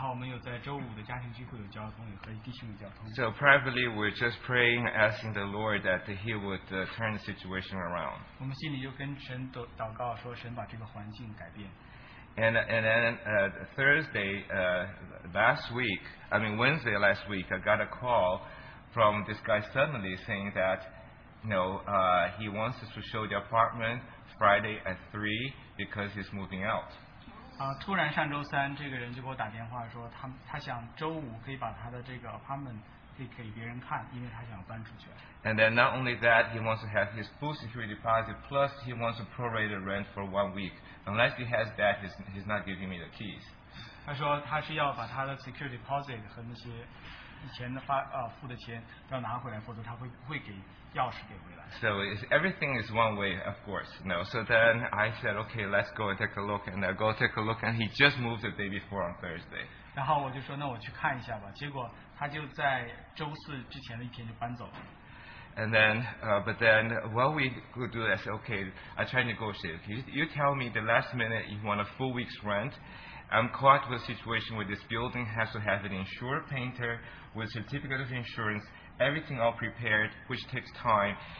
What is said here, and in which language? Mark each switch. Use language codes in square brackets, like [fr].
[zh] 在那时候，我们就与不同的弟兄姊妹有些交通，然后我们有在周五的家庭聚会有交通，也和弟兄有交通。 [en] So privately, we're just praying, asking the Lord that He would turn the situation around. [zh] 我们心里就跟神祷告说，神把这个环境改变。 [en] And then Thursday, last week, I mean Wednesday last week, I got a call from this guy suddenly saying that, you know, he wants us to show the apartment Friday at 3 because he's moving out. [zh] 突然上周三这个人就给我打电话说他想周五可以把他的这个 apartment 可以给别人看，因为他想搬出去。And [en] then not only that, he wants to have his full security deposit plus he wants to prorate the rent for 1 week. Unless he has that, he's not giving me the keys. [zh] 他说他是要把他的 security deposit 和那些 以前的付的钱要拿回来，否则他会给钥匙给回来。So [en] everything is one way, of course. No. So then I said, okay, let's go and take a look. And I go take a look, and he just moved the day before on Thursday. [zh] 然后我就说，那我去看一下吧。结果他就在周四之前的一天就搬走了。And [en] then, but then what we could do is, okay, I try to negotiate. You tell me the last minute you want a full week's rent. I'm caught with a situation where this building has to have an insured painter with a certificate of insurance, everything all prepared, which takes time.